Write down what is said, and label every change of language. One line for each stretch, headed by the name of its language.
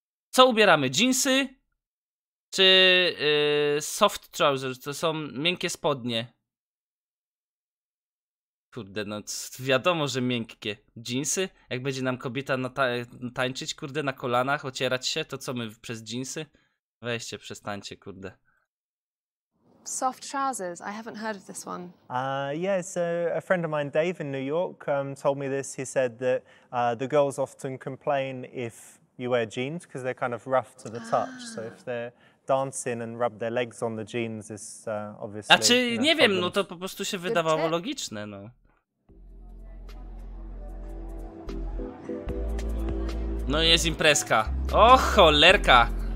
Polish: Co ubieramy? Jeansy? Czy
English: soft trousers?
Polish: To są miękkie spodnie. Kurde, no wiadomo, że miękkie. Jeansy? Jak będzie nam kobieta tańczyć, kurde, na kolanach, ocierać się, to co my przez jeansy? Weźcie, przestańcie, kurde.
English: Soft trousers. I haven't heard of this one. A friend of mine, Dave, in New York, told me this. He said that the girls often complain if you wear jeans because they're kind of rough to the touch. So if they're dancing and rub their legs on the jeans, it's obviously.
Polish: A czy nie wiem, no to po prostu się wydawało logiczne, no. No jest imprezka. O cholerka!